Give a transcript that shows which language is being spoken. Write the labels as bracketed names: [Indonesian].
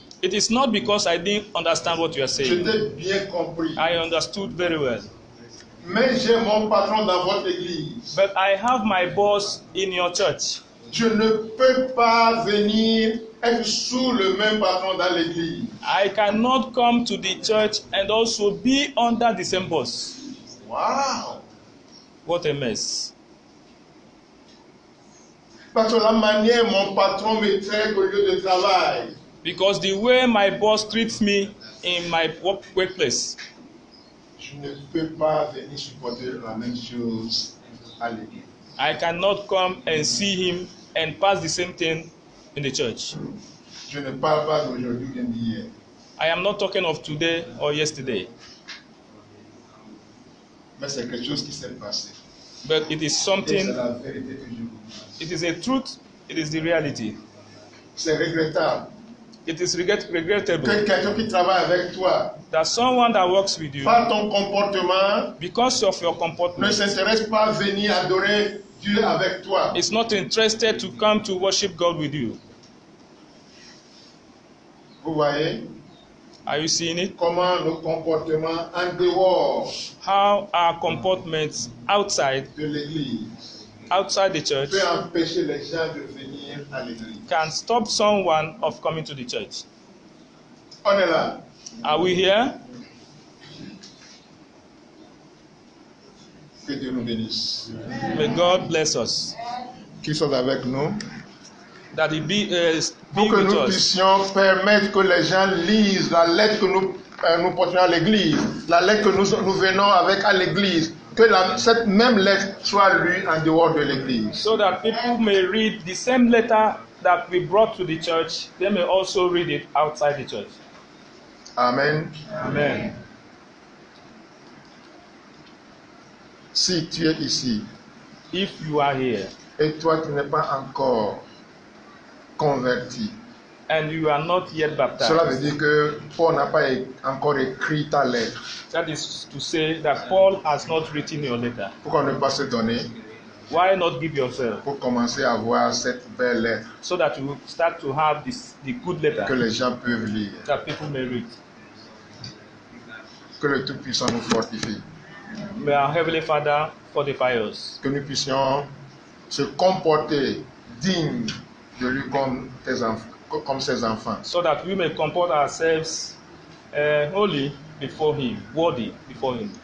[English] It is not because I didn't understand what you are saying. [French] J'étais bien compris. [English] I understood very well. [French] Mais j'ai mon patron dans votre église. [English] But I have my boss in your church. [French] Je ne peux pas venir être sous le même patron dans l'église. [English] I cannot come to the church and also be under the same boss. Wow. What a mess. [French] Parce que la manière mon patron me traite au lieu de travail. [English] Because the way my boss treats me in my workplace. [French] Je ne peux pas venir supporter la même chose à l'église. [English] I cannot come and see him and pass the same thing in the church. [French] Je ne parle pas d'aujourd'hui ni d'hier. [English] I am not talking of today or yesterday. [French] Mais c'est quelque chose qui s'est passé. [English] But it is something. [French] C'est la vérité que je vous dis. [English] It is a truth. It is the reality. [French] C'est regrettable. [English] It is regrettable [French] que quelqu'un qui travaille avec toi, [English] that someone that works with you, [French] par ton comportement, [English] because of your comportment, [French] ne s'intéresse pas à venir adorer Dieu avec toi. [English] Is not interested to come to worship God with you. [French] Vous voyez? [English] Are you seeing it? [French] Comment nos comportements en dehors, [English] how our comportments outside, [French] de l'église, [English] outside the church, [French] peut empêcher les gens de venir à l'église. [English] Can stop someone of coming to the church. [French] On est là. [English] Are we here? [French] Que Dieu nous bénisse. [English] May God bless us. [French] Qu'il soit avec nous. [English] That he be [French] pour que nous puissions permettre que les gens lisent la lettre que nous portons à l'église, la lettre que nous venons avec à l'église. Que cette même lettre soit lue en dehors de l'église. [English] So that people may read the same letter that we brought to the church, they may also read it outside the church. Amen. Amen. [French] Si tu es ici, [English] if you are here, [French] et toi tu n'es pas encore converti, [English] and you are not yet baptized, [French] cela veut dire que Paul n'a pas encore écrit ta lettre. [English] That is to say that Paul has not written your letter. [French] Pourquoi ne pas se donner? [English] Why not give yourself? [French] Pour commencer à voir cette belle lettre. [English] So that you start to have this, the good letter. [French] Que les gens peuvent lire. [English] That people may read. [French] Que le Tout-Puissant nous fortifie. [English] May our Heavenly Father fortify us. [French] Que nous puissions se comporter digne de lui comme ses enfants. [English] So that we may comport ourselves holy before him, worthy before him.